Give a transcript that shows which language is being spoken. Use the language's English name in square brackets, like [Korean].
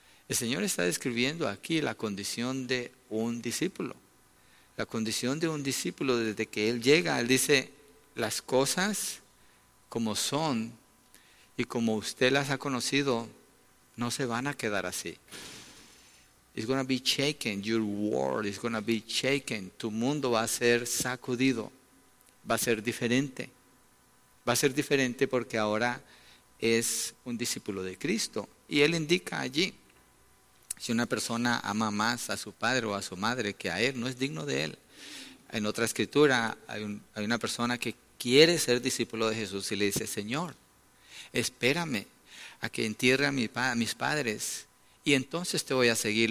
[Spanish] El Señor está describiendo aquí la condición de un discípulo. La condición de un discípulo desde que Él llega. Él dice, las cosas como son y como usted las ha conocido, no se van a quedar así. [English] It's going to be shaken, your world is going to be shaken. [Spanish] Tu mundo va a ser sacudido, va a ser diferente. Va a ser diferente porque ahora es un discípulo de Cristo. Y Él indica allí, si una persona ama más a su padre o a su madre que a él, no es digno de él. En otra escritura hay una persona que quiere ser discípulo de Jesús y le dice, Señor, espérame a que entierre a mis padres y entonces te voy a seguir.